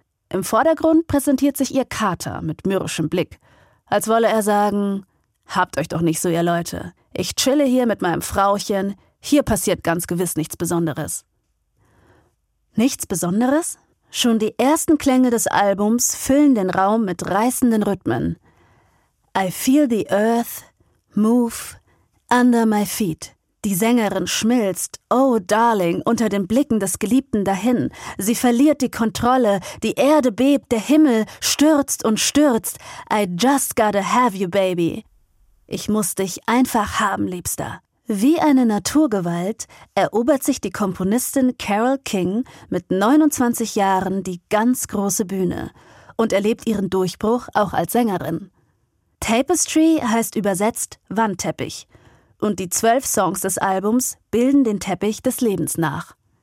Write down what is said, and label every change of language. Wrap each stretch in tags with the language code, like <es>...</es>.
<de>Im Vordergrund präsentiert sich ihr Kater mit mürrischem Blick, als wolle er sagen, habt euch doch nicht so, ihr Leute. Ich chille hier mit meinem Frauchen, hier passiert ganz gewiss nichts Besonderes. Nichts Besonderes? Schon die ersten Klänge des Albums füllen den Raum mit reißenden Rhythmen.</de> <en>I feel the earth move under my feet.</en> <de>Die Sängerin schmilzt, oh darling, unter den Blicken des Geliebten dahin. Sie verliert die Kontrolle, die Erde bebt, der Himmel stürzt und stürzt.</de> <en>I just gotta have you, baby.</en> <de>Ich muss dich einfach haben, Liebster. Wie eine Naturgewalt erobert sich die Komponistin Carole King mit 29 Jahren die ganz große Bühne und erlebt ihren Durchbruch auch als Sängerin. Tapestry heißt übersetzt Wandteppich. Und die 12 Songs des Albums bilden den Teppich des Lebens nach.</de>